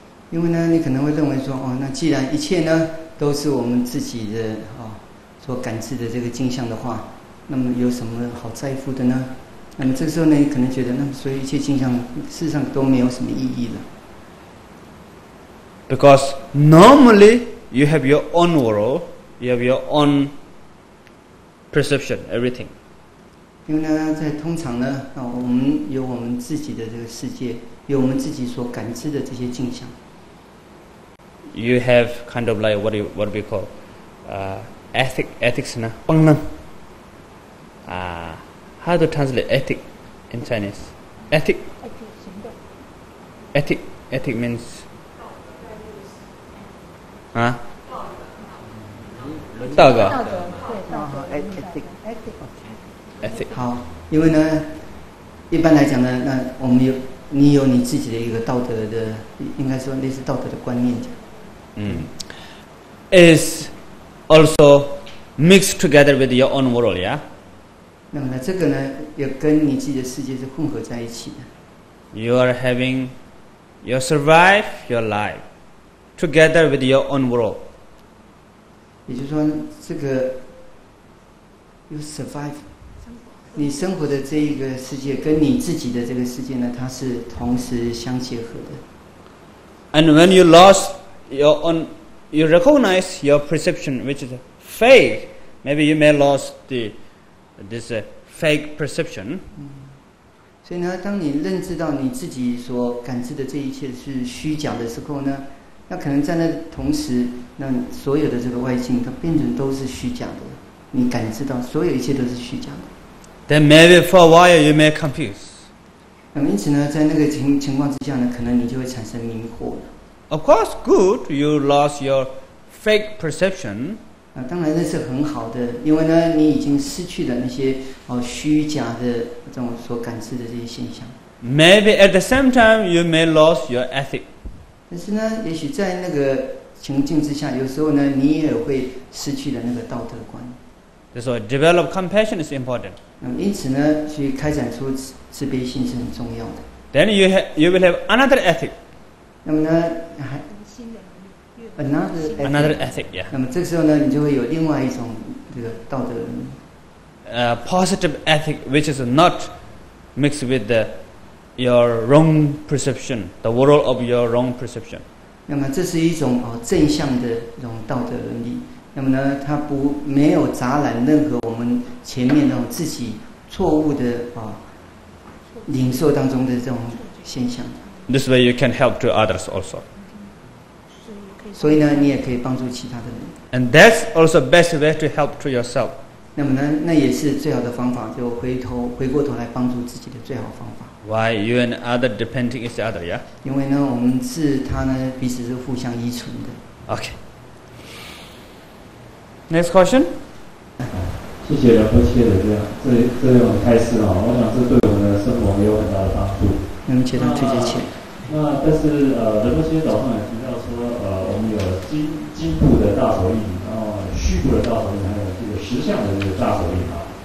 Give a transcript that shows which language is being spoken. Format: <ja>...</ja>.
<zh>因为呢，你可能会认为说，哦，那既然一切呢都是我们自己的哦所感知的这个镜像的话，那么有什么好在乎的呢？那么这时候呢，你可能觉得，那么所以一切镜像事实上都没有什么意义了。</zh> <en>Because normally you have your own world, you have your own perception, everything.</en> <zh>因为呢，在通常呢，啊，我们有我们自己的这个世界，有我们自己所感知的这些镜像。</zh> <en>You have kind of like what we call ethics, na peng neng. How to translate ethic in Chinese? Ethic. Ethic. Ethic means.</en> <zh>道德，道德，对，道德。</zh> <en>Ethic。</en> <zh>好，因为呢，一般来讲呢，那我们有，你有你自己的一个道德的，应该说类似道德的观念讲。</zh> <en>Is also mixed together with your own world, yeah?</en> <zh>那么呢，这个呢，也跟你自己的世界是混合在一起的。</zh> <en>You are having your survive your life together with your own world.</en> <zh>也就是说，这个</zh> <en>you survive</en> <zh>你生活的这一个世界跟你自己的这个世界呢，它是同时相结合的。</zh> <en>And when you lost your own, you recognize your perception, which is fake. Maybe you may lost the this fake perception.</en> <zh>所以呢，当你认知到你自己所感知的这一切是虚假的时候呢，那可能在那同时，那所有的这个外境它变成都是虚假的，你感知到所有一切都是虚假的。</zh> <en>Then maybe for a while you may confuse.</en> <zh>那么因此呢，在那个情况之下呢，可能你就会产生迷惑了。</zh> <en>Of course, good. You lost your fake perception.</en> <zh>那当然那是很好的，因为呢，你已经失去了那些虚假的这种所感知的这些现象。</zh> <en>Maybe at the same time you may lose your ethic.</en> <zh>但是呢，也许在那个情境之下，有时候呢，你也会失去了那个道德观。</zh> <en>So develop compassion is important.</en> <zh>那么因此呢，去开展出慈悲心是很重要的。</zh> <en>Then you will have another ethic.</en> <zh>那么呢，还。</zh> <en>Another ethic, yeah.</en> <zh>那么这个时候呢，你就会有另外一种这个道德。</zh> <en>Positive ethic, which is not mixed with your wrong perception, the world of your wrong perception.</en> <zh>那么这是一种正向的一种道德伦理。那么呢，它不没有杂染任何我们前面那种自己错误的领受当中的这种现象。</zh> <en>This way, you can help to others also.</en> <zh>所以呢，你也可以帮助其他的人。</zh> <en>And that's also best way to help to yourself.</en> <zh>那么呢，那也是最好的方法，就回过头来帮助自己的最好方法。</zh> <en>Why you and other depending each other, yeah?</en> <zh>因为呢，我们是他呢，彼此是互相依存的。</zh> <en>Okay. Next question.</en> <zh>谢谢仁波切的这种开示啊，我想这对我们的生活也有很大的帮助。能不能请他推荐起来？那但是仁波切早上也提到说我们有金部的大手印，然后虚部的大手印，还有这个实相的这个大手印啊。</zh>